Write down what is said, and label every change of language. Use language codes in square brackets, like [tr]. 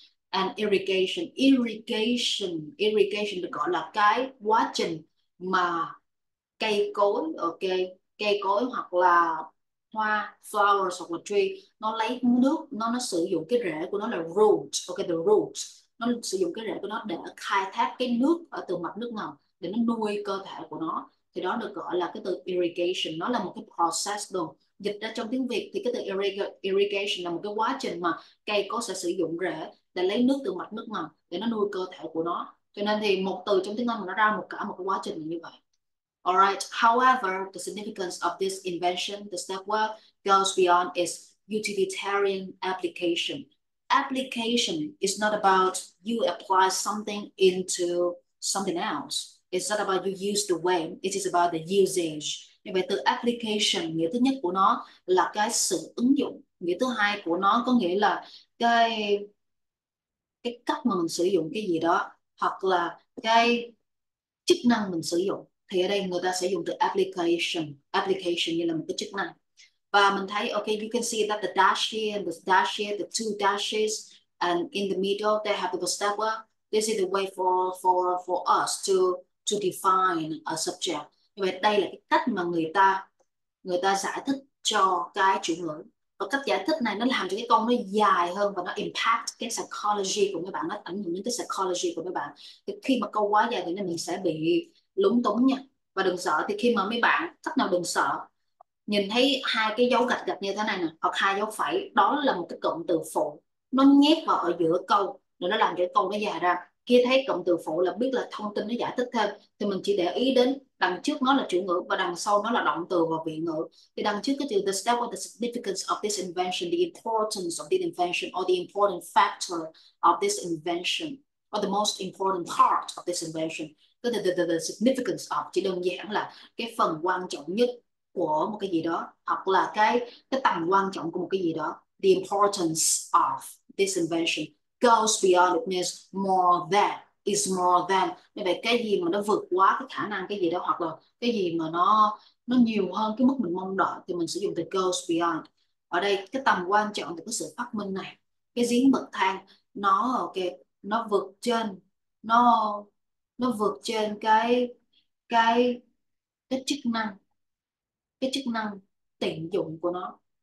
[vi] And irrigation, irrigation, irrigation được gọi là cái quá trình mà cây cối, ok, cây cối hoặc là hoa, flowers hoặc là tree, nó lấy nước, nó sử dụng cái rễ của nó là roots, ok, the roots, nó sử dụng cái rễ của nó để khai thác cái nước ở từ mặt nước ngầm để nó nuôi cơ thể của nó. Thì đó được gọi là cái từ irrigation. Nó là một cái process luôn, dịch ra trong tiếng Việt thì cái từ irrigation là một cái quá trình mà cây có sẽ sử dụng rễ để lấy nước từ mạch nước ngầm để nó nuôi cơ thể của nó. Cho nên thì một từ trong tiếng Anh nó ra một cả một cái quá trình như vậy. [en] Alright, however, the significance of this invention, the step goes beyond its utilitarian application. Application is not about you apply something into something else. It's not about you use the way, it is about the usage. [vi] Như vậy từ application, nghĩa thứ nhất của nó là cái sự ứng dụng. Nghĩa thứ hai của nó có nghĩa là cái cách mà mình sử dụng cái gì đó hoặc là cái chức năng mình sử dụng. Thì ở đây người ta sẽ dùng từ application, application như là một cái chức năng. Và mình thấy, [en] okay, you can see that the two dashes, and in the middle, they have the stepper. This is the way for us to define a subject. [vi] Như vậy đây là cái cách mà người ta giải thích cho cái chủ ngữ. Và cách giải thích này nó làm cho cái con nó dài hơn và nó impact cái psychology của mấy bạn, nó ảnh hưởng đến cái psychology của mấy bạn. Thì khi mà câu quá dài thì mình sẽ bị lúng túng nha. Và đừng sợ, thì khi mà mấy bạn cách nào đừng sợ, nhìn thấy hai cái dấu gạch gạch như thế này nè hoặc hai dấu phẩy, đó là một cái cụm từ phụ nó nhét vào ở giữa câu để nó làm cho cái câu nó dài ra. Khi thấy cụm từ phụ là biết là thông tin nó giải thích thêm, thì mình chỉ để ý đến đằng trước nó là chủ ngữ và đằng sau nó là động từ và vị ngữ. Thì đằng trước cái từ [en] the step of the significance of this invention, [vi] the importance of the invention or the important factor of this invention or the most important part of this invention, cái [en] the significance of [vi] chỉ đơn giản là cái phần quan trọng nhất của một cái gì đó hoặc là cái tầm quan trọng của một cái gì đó. [en] The importance of this invention goes beyond, it means more than, is more than. [vi] Như vậy cái gì mà nó vượt quá cái khả năng cái gì đó hoặc là cái gì mà nó nhiều hơn cái mức mình mong đợi thì mình sử dụng từ goes beyond. Ở đây cái tầm quan trọng của cái sự phát minh này, cái giếng bậc thang nó, ok, nó vượt trên, nó vượt trên cái chức năng, cái chức năng tiện dụng của nó.